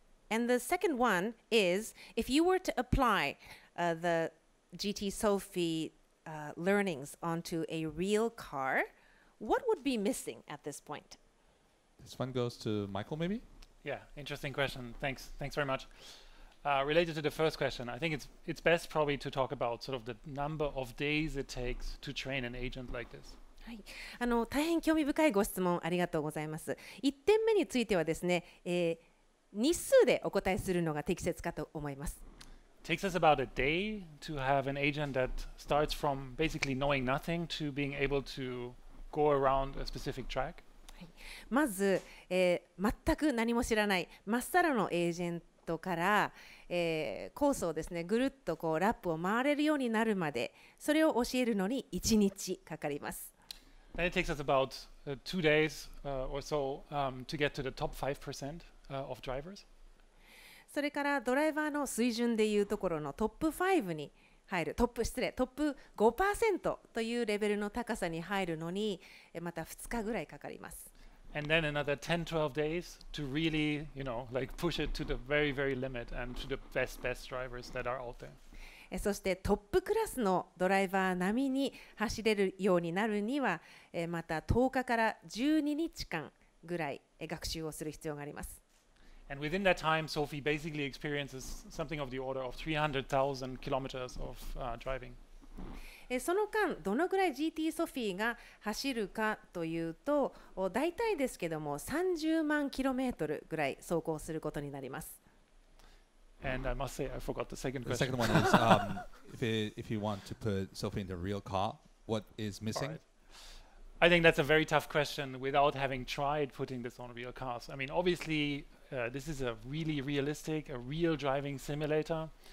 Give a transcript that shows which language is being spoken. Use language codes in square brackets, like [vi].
[en] And the second one is, if you were to apply、the GT Sophy、learnings onto a real car, what would be missing at this point? This one goes to Michael, maybe? Yeah, interesting question. Thanks very much.、related to the first question, I think it's best probably to talk about sort of the number of days it takes to train an agent like this. [ja] はい、大変興味深いご質問ありがとうございます。 1点目についてはですね、日数でお答えするのが適切かと思います。 [en] Takes us about a day to have an agent that starts from basically knowing nothing to being able to go around a specific track. [ja] まず、全く何も知らない真っさらのエージェントから、コースをですねぐるっとこうラップを回れるようになるまでそれを教えるのに1日かかります。 [en] Then it takes us about two days or so to get to the top 5% of drivers. [ja] それからドライバーの水準でいうところのトップ5に入る、トップ 5% というレベルの高さに入るのにまた2日ぐらいかかります。 [en] And then another 10-12 days to really, you know, like push it to the very, very limit and to the best drivers that are out there. [ja] そしてトップクラスのドライバー並みに走れるようになるには、また10日から12日間ぐらい学習をする必要があります。 [en] And within that time, Sophie basically experiences something of the order of 300,000 kilometers of driving. [ja] その間どのぐらい GT ソフィーが走るかというと大体ですけども30万キロメートルぐらい走行することになります。 [en] And I must say I forgot the second question. The second one is if you want to put Sophie in the real car, what is missing? I think that's a very tough question without having tried putting this on real cars. I mean obviously this is a really realistic, a real driving simulator.